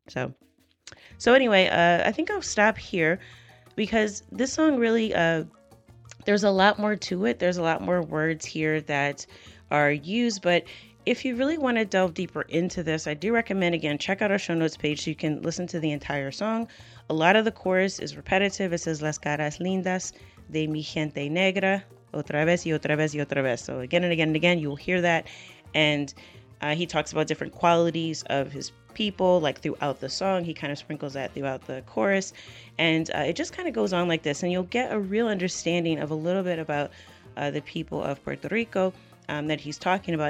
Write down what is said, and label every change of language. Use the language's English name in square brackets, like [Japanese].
[English] So anyway, I think I'll stop here, because this song really, there's a lot more to it. There's a lot more words here that are used, but if you really want to delve deeper into this, I do recommend, again, check out our show notes page so you can listen to the entire song. A lot of the chorus is repetitive. It says, [Spanish] las caras lindas de mi gente negra, otra vez y otra vez y otra vez. [English] So again and again and again, you'll hear that. And he talks about different qualities of his people, like throughout the song. He kind of sprinkles that throughout the chorus. And it just kind of goes on like this. And you'll get a real understanding of a little bit about the people of Puerto Rico that he's talking about.